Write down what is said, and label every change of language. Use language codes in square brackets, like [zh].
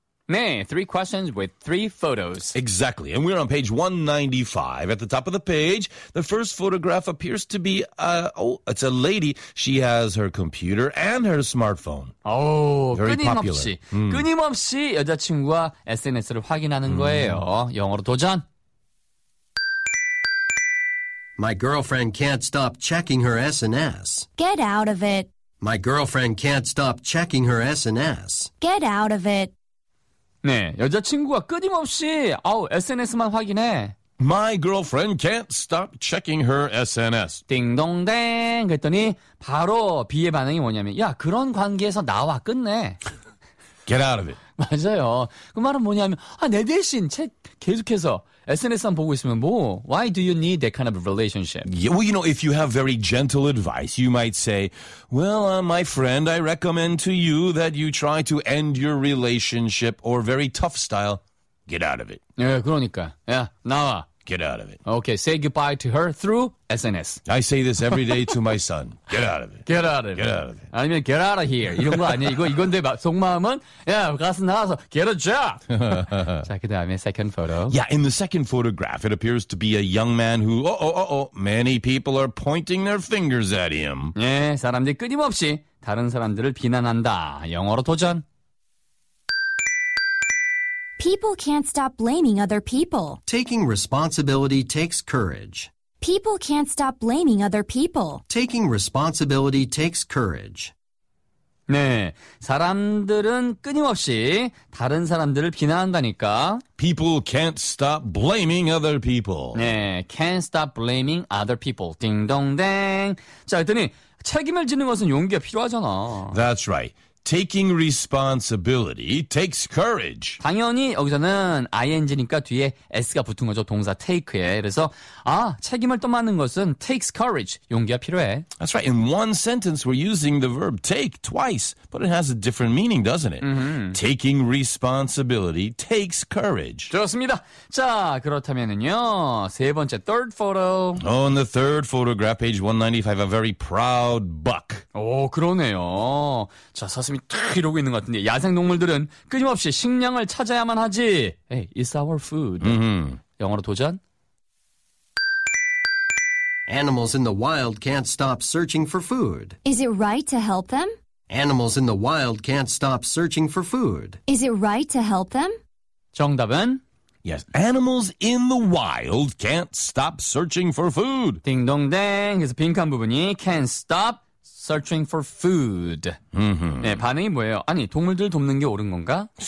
[ko] 네, [en] three questions with three photos. Exactly. And we're on page 195. At the top of the page, the first photograph appears to be, it's a lady. She has her computer and her smartphone. Oh, very [ko] 끊임없이, [en] popular. Mm. [ko] 끊임없이 여자친구와 SNS를 확인하는 mm. 거예요. 영어로 도전. [en] My girlfriend can't stop checking her SNS. Get out of it. My girlfriend can't stop checking her SNS. Get out of it. [ko] 네, 여자친구가 끊임없이 SNS만 확인해. [en] My girlfriend can't stop checking her SNS. [ko] 띵동댕 그랬더니 바로 B의 반응이 뭐냐면 야, 그런 관계에서 나와 끝내. [en] Get out of it. [ko] 맞아요. 그 말은 뭐냐면 내 대신 계속해서 SNS만 보고 있으면 뭐 [en] Why do you need that kind of relationship? Yeah, well, you know, if you have very gentle advice, you might say, Well, my friend, I recommend to you that you try to end your relationship or very tough style, get out of it. [ko] 예, 그러니까. 야, 나와. [en] Get out of it. Okay, say goodbye to her through SNS. I say this every day to my son. Get out of it. Get out of get it. Get out of it. [ko] 아니면 [en] get out of here. [ko] 이런 거 아니야. 이건데 속마음은 가서 나와서 [en] get a job. [ko] 자, 그 다음에 [en] second photo. Yeah, in the second photograph, it appears to be a young man who, many people are pointing their fingers at him. [ko] 예, 사람들이 끊임없이 다른 사람들을 비난한다. 영어로 도전. [en] People can't stop blaming other people. Taking responsibility takes courage. People can't stop blaming other people. Taking responsibility takes courage. [ko] 네, 사람들은 끊임없이 다른 사람들을 비난한다니까. [en] People can't stop blaming other people. [ko] 네, [en] can't stop blaming other people. [ko] 딩동댕. 자, 그랬더니 책임을 지는 것은 용기가 필요하잖아. [en] That's right. Taking responsibility takes courage. [ko] 당연히 여기서는 ing니까 뒤에 s가 붙은 거죠. 동사 take에. 그래서 책임을 떠맡는 것은 [en] takes courage. [ko] 용기가 필요해. [en] That's right. In one sentence, we're using the verb take twice, but it has a different meaning, doesn't it? Mm-hmm. Taking responsibility takes courage. [ko] 좋습니다. 자, 그렇다면은요. 세 번째, [en] third photo. On the third photograph, page 195, a very proud buck. [ko] 오, 그러네요. 자, 가슴이 탁 이러고 있는 것 같은데 야생동물들은 끊임없이 식량을 찾아야만 하지. [en] Hey, it's our food. Mm-hmm. [ko] 영어로 도전. [en] Animals in the wild can't stop searching for food. Is it right to help them? Animals in the wild can't stop searching for food. Is it right to help them? [ko] 정답은? [en] Yes, animals in the wild can't stop searching for food. [ko] 딩동댕. 그래서 빈칸 부분이 [en] can't stop. Searching for food. Mm-hmm. [ko] 네, 반응이 뭐예요? 아니, 동물들 돕는 게 옳은 건가?